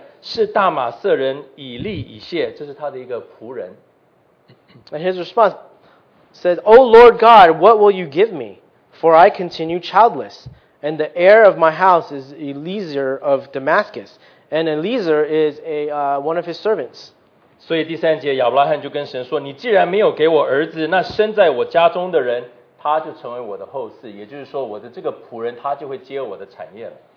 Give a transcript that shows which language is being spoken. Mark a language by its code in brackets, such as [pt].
[zh] 而且那个要承受我家业的是大马色人以利以谢, 这是他的一个仆人。 [en] And his response says, O Lord God, what will you give me? For I continue childless, and the heir of my house is Eliezer of Damascus. And Eliezer is one of his servants. [zh] 所以第三节, 亚伯拉罕就跟神说, 你既然没有给我儿子, 那生在我家中的人, 他就成为我的后嗣, 也就是说我的这个仆人, 他就会接我的产业了。